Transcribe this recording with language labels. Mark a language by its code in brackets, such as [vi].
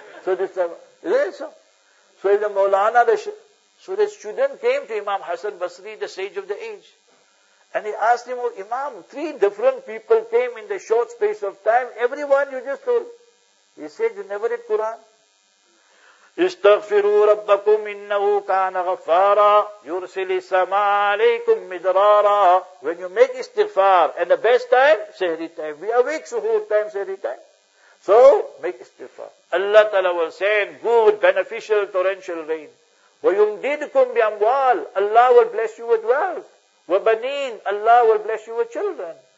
[en] So this is it so? So the Maulana, the student came to Imam Hasan Basri, the sage of the age. And he asked him, oh, Imam, three different people came in the short space of time. Everyone you just told. He said, you never read Quran. [ar] استغفروا ربكم إنه كان غفارا يرسل السماء عليكم مدرارا. [en] When you make istighfar, and the best time, sehri time. We awake suhoor time, sehri time. So, make istighfar. Allah Ta'ala will send good, beneficial, torrential rain. [ar] وَيُمْدِدْكُمْ بِأَمْوَالِ. [en] Allah will bless you with wealth. [ar] وَبَنِينَ. [en] Allah will bless you with children.